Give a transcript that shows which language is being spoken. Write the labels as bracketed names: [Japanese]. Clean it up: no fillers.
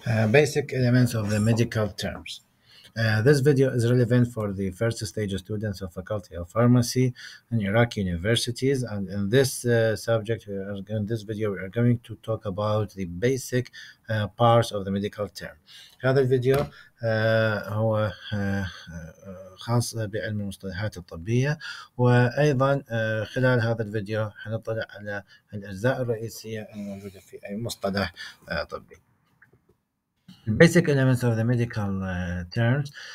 [English] basic elements of the medical terms. This video is relevant for the first stage of students of Faculty of Pharmacy in Iraqi universities. And in this subject, in this video, we are going to talk about the basic parts of the medical term. [Arabic] هذا الفيديو هو خاص بعلم المصطلحات الطبية وأيضا خلال هذا الفيديو حنطلع على الأجزاء الرئيسية الموجودة في أي مصطلح طبي. [English] Basic elements of the medical terms.